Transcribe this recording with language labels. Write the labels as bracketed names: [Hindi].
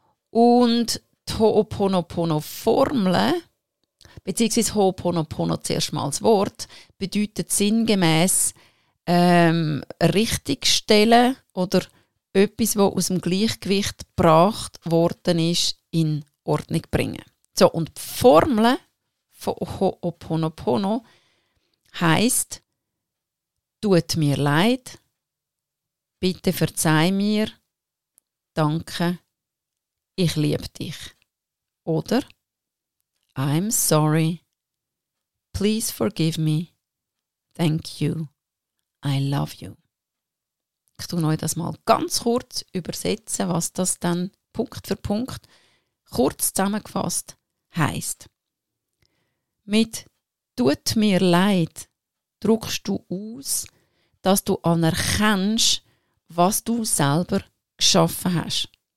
[German] Und die Ho'oponopono-Formel, beziehungsweise Ho'oponopono zuerst mal als Wort, bedeutet sinngemäss richtigstellen oder etwas, was aus dem Gleichgewicht gebracht worden ist, in Ordnung bringen. So, und die Formel von Ho'oponopono heisst: Tut mir leid, bitte verzeih mir, danke, ich liebe dich. [English] Oder I'm sorry, please forgive me, thank you, I love you. [German] Ich tue euch das mal ganz kurz übersetzen, was das dann Punkt für Punkt kurz zusammengefasst heisst. Mit tut mir leid drückst du aus, dass du anerkennst, was du selber geschaffen hast.